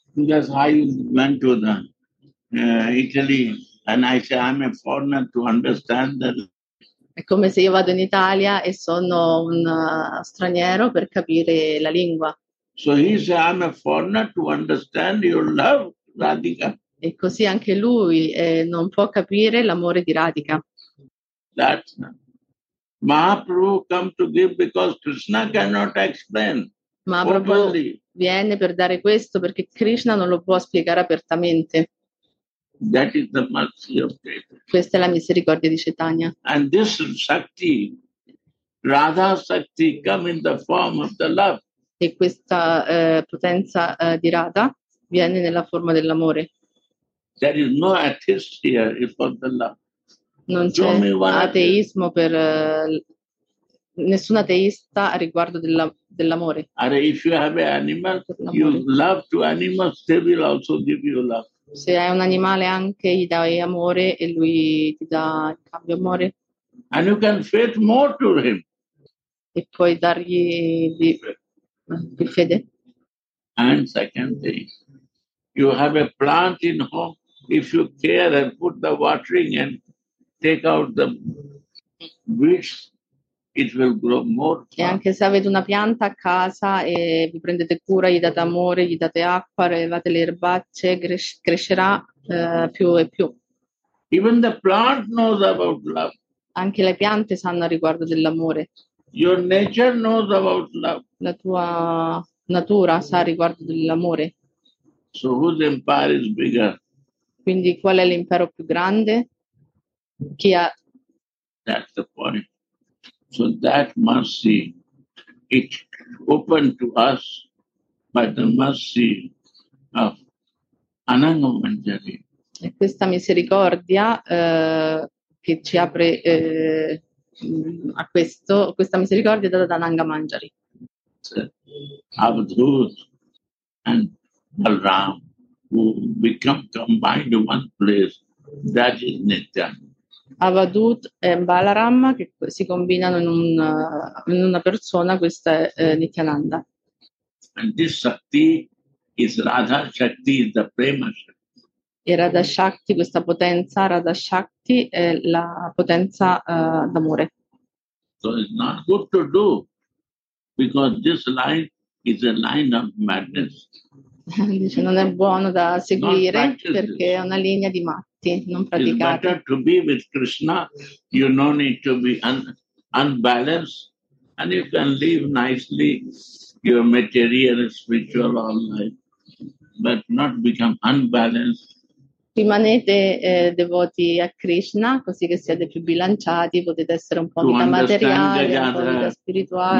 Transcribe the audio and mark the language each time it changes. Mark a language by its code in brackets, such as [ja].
[en] That's how you went to the Italy, and I say I'm a foreigner to understand that. [it] È come se io vado in Italia e sono un straniero per capire la lingua. [en] So he say I'm a foreigner to understand your love, Radhika. [it] E così anche lui non può capire l'amore di Radhika. [en] That Mahaprabhu come to give because Krishna cannot explain. [it] Ma proprio viene per dare questo perché Krishna non lo può spiegare apertamente. [en] That is the mercy of [it] questa è la misericordia di Chaitanya. [en] And this Shakti, Radha Shakti, come in the form of the love. [it] E questa potenza di Radha viene nella forma dell'amore. [en] There is no atheist here for the love. [it] Non c'è ateismo per nessun ateista a riguardo dell'amore. [en] Are if you have an animal, you love to animals, they will also give you love. [it] Se hai un animale anche gli dai amore e lui ti dà il cambio amore. [en] And you can faith more to him. [it] E puoi dargli più fede. [en] And second thing, you have a plant in home. If you care and put the watering and take out the weeds. It will grow more. [it] E anche se avete una pianta a casa e vi prendete cura, gli date amore, gli date acqua, levate le erbacce, crescerà più e più. [en] Even the plant knows about love. [it] Anche le piante sanno riguardo dell'amore. [en] Your nature knows about love. [it] La tua natura sa riguardo dell'amore. [en] So whose empire is bigger? [it] Quindi qual è l'impero più grande? Chi ha? [en] That's the point. So that mercy, it opened to us by the mercy of Ananga Manjari. [it] E questa misericordia che ci apre a questo, questa misericordia è data da Ananga Manjari. [en] Avadhut and Balram. who become combined in one place, that is Nitya. [it] Avadut e Balaram che si combinano in una persona, questa è Nityananda. [en] And this Shakti is Radha Shakti, is the Prema Shakti. [it] E Radha Shakti, questa potenza, Radha Shakti è la potenza d'amore. [en] So it's not good to do, because this line is a line of madness. [it] Dice, non è buono da seguire perché è una linea di matti, non praticare. [en] It's better to be with Krishna, you no need to be unbalanced, and you can live nicely your material and spiritual life, but not become unbalanced. [it] Rimanete devoti a Krishna, così che siete più bilanciati, potete essere un po' di materiale, un po' di spirituale.